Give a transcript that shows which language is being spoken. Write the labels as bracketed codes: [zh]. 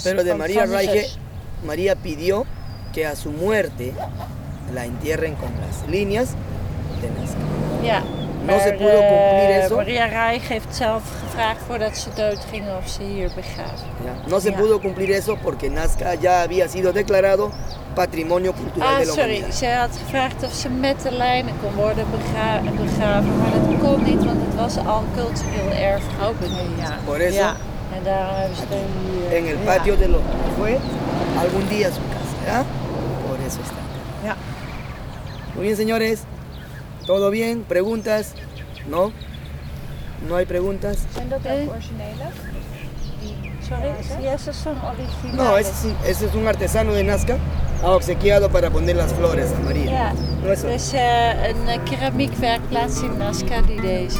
[es] Pero de María Reiche, María pidió que a su muerte la entierren con las líneas de Nazca. [nl] Ja, [es] No se pudo cumplir eso. [nl] María Rai heeft zelf gevraagd voordat ze dood ging of ze hier begraven. Ja. [es] No se pudo cumplir eso porque Nazca ya había sido declarado patrimonio cultural de la humanidad. [nl] Sorry, ze had gevraagd of ze met de lijnen kon worden begraven, maar dat kon niet, want het was al cultureel erfgoed. [en] Okay. [es] Por eso. [nl] Ja. En daarom hebben ze hier. [es] En el patio de los muertos. Algún día su casa, ¿ya? Por eso está. [nl] Ja. [es] Muy bien, señores. ¿Todo bien? ¿Preguntas? ¿No? ¿No hay preguntas? ¿Son originales? ¿Son originales? No, ese es un artesano de Nazca, obsequiado para poner las flores a María. Sí, es un keramiekwerkplaats en Nazca que deze